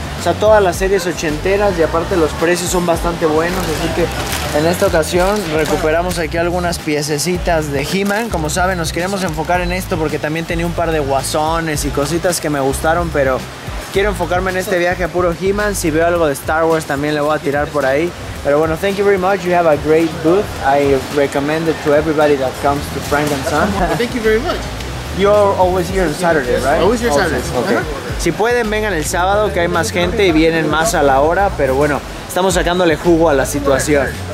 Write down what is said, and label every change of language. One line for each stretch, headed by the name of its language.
Spanish: sea, todas las series ochenteras y aparte los precios son bastante buenos, así que en esta ocasión recuperamos aquí algunas piececitas de He-Man. Como saben, nos queremos enfocar en esto porque también tenía un par de guasones y cositas que me gustaron, pero quiero enfocarme en este viaje a puro He-Man. Si veo algo de Star Wars también le voy a tirar por ahí. Pero bueno,
English: thank you very much. You have a great booth. I recommend it to everybody that comes to Frank and Son. Thank you very much. You're always here on Saturday, right? Always here Saturday. Okay. Uh-huh.
Spanish: Si pueden, vengan el sábado, que hay más gente y vienen más a la hora. Pero bueno, estamos sacándole jugo a la situación.